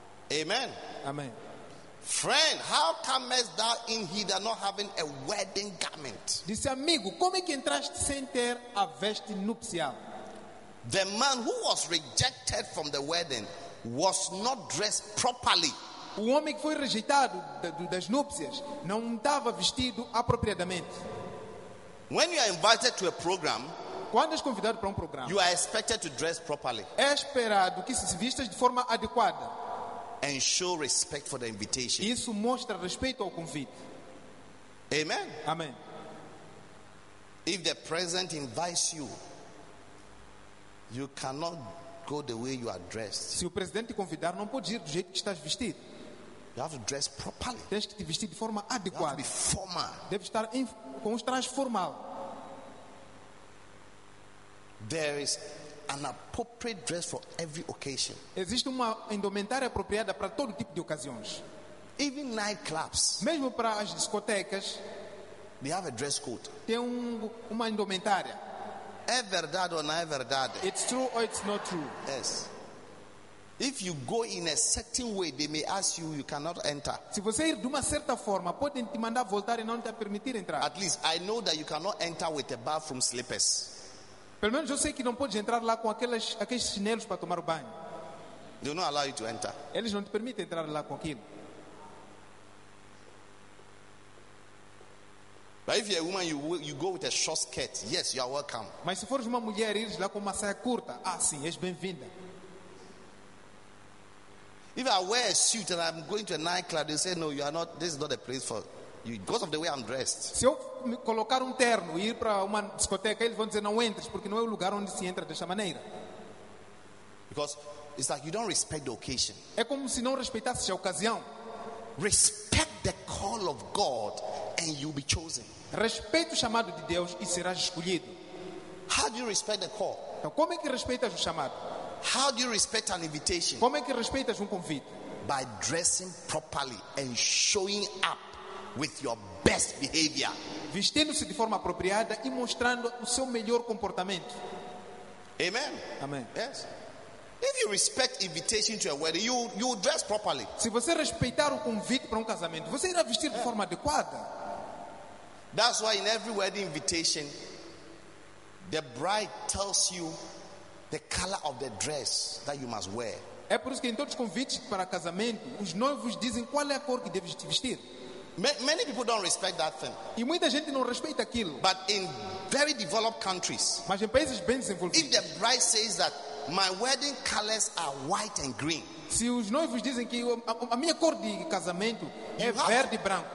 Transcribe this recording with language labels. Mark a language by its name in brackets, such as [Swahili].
[English] Amen. [Portuguese] Amém. [English] Friend, how comest thou in hither not having a wedding garment? [Portuguese] Disse, amigo, como é que entraste sem ter a veste nupcial? [English] The man who was rejected from the wedding was not dressed properly. [Portuguese] O homem que foi rejeitado das núpcias não estava vestido apropriadamente. [English] When you are invited to a program, [Portuguese] quando és convidado para programa, [English] you are expected to dress properly. [Portuguese] É esperado que se vistas de forma adequada. [English] And show respect for the invitation. [Portuguese] Isso mostra respeito ao convite. [English] Amen. [Portuguese] Amen. [English] If the present invites you, you cannot go the way you are dressed. [Portuguese] Se o presidente te convidar, não podes ir do jeito que estás vestido. [English] You have to dress properly. [Portuguese] Tens que te vestir de forma adequada. [English] You have to be formal. [Portuguese] Deve estar com os trajes formal. [English] There is an appropriate dress for every occasion. [Portuguese] Existe uma indumentária apropriada para todo tipo de ocasiões. [English] Even nightclubs. [Portuguese] Mesmo para as discotecas. [English] They have a dress code. [Portuguese] Tem uma indumentária. É verdade ou não é verdade? [English] It's true or it's not true? Yes. If you go in a certain way, they may ask you, you cannot enter. [Portuguese] Se você ir de uma certa forma, podem te mandar voltar e não te permitir entrar. [English] At least I know that you cannot enter with a bathroom slippers. [Portuguese] Pelo menos eu sei que não podes entrar lá com aqueles chinelos para tomar o banho. [English] They don't allow you to enter. [Portuguese] Eles não te permitem entrar lá com aquilo. [English] But if you're a woman, you go with a short skirt. Yes, you are welcome. [Portuguese] Mas se fores uma mulher, ires lá com uma saia curta. Ah, sim, és bem-vinda. [English] If I wear a suit and I'm going to a nightclub, they say, no, you are not, this is not a place for you because of the way I'm dressed. [Portuguese] Se eu colocar terno e ir para uma discoteca, eles vão dizer, não entres, porque não é o lugar onde se entra dessa maneira. [English] Because it's like you don't respect the occasion. [Portuguese] É como se não respeitasse a ocasião. [English] Respect the call of God and you'll be chosen. [Portuguese] Respeite o chamado de Deus e serás escolhido. [English] How do you respect the call? [Portuguese] Então, como é que respeitas o chamado? [English] How do you respect an invitation? [Portuguese] Como é que respeitas convite? [English] By dressing properly and showing up with your best behavior. [Portuguese] Vestindo-se de forma apropriada e mostrando o seu melhor comportamento. [English] Amen. [Portuguese] Amém. [English] Yes. If you respect invitation to a wedding, you dress properly. [Portuguese] Se você respeitar o convite para casamento, você irá vestir de forma adequada. [English] That's why in every wedding invitation, the bride tells you the color of the dress that you must wear. [Portuguese] É por isso que em todos os convites para casamento, os noivos dizem qual é a cor que deves vestir. [English] Many people don't respect that thing. [Portuguese] E muita gente não respeita aquilo. [English] But in very developed countries, [Portuguese] mas em países bem desenvolvidos, [English] if the bride says that my wedding colors are white and green, [Portuguese] se os noivos dizem que a minha cor de casamento é verde e branco,